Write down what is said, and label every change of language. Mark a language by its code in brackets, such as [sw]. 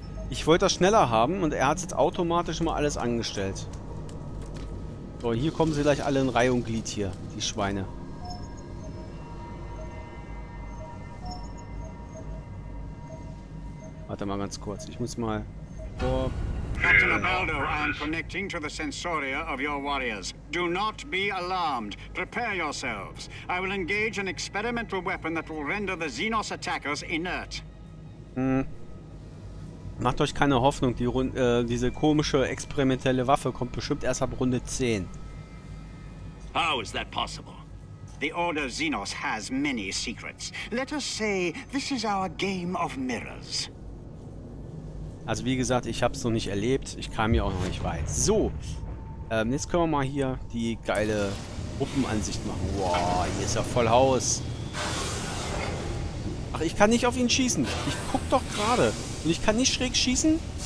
[de] Ich wollte das schneller haben und er hat jetzt automatisch mal alles angestellt. So, hier kommen sie gleich alle in Reihe und Glied hier, die Schweine. Warte mal ganz kurz, ich muss mal... [en] Captain Abaldo, I'm connecting to the sensoria of your warriors. Do not be alarmed. Prepare yourselves. I will engage an experimental weapon that will render the Xenos attackers inert. Hm. [de] Macht euch keine Hoffnung, die diese komische experimentelle Waffe kommt bestimmt erst ab Runde 10. [en] How is that possible? The Order Xenos has many secrets. Let us say, this is our game of mirrors. [de] Also wie gesagt, ich habe es noch nicht erlebt. Ich kam hier auch noch nicht weit. So, jetzt können wir mal hier die geile Gruppenansicht machen. Wow, hier ist ja voll Haus. Ach, ich kann nicht auf ihn schießen. Ich guck doch gerade. Und ich kann nicht schräg schießen?